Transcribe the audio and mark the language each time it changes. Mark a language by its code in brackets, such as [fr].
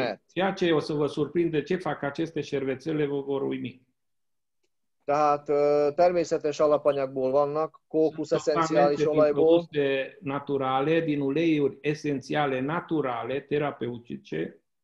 [ro] Ceea ce o să vă surprinde, ce fac aceste șervețele, vă vor uimi. [hu] Tehát természetes alapanyagból vannak, kókusz eszenciális olajból. [ro] De naturale, din uleiuri esențiale, naturale, terapeutice.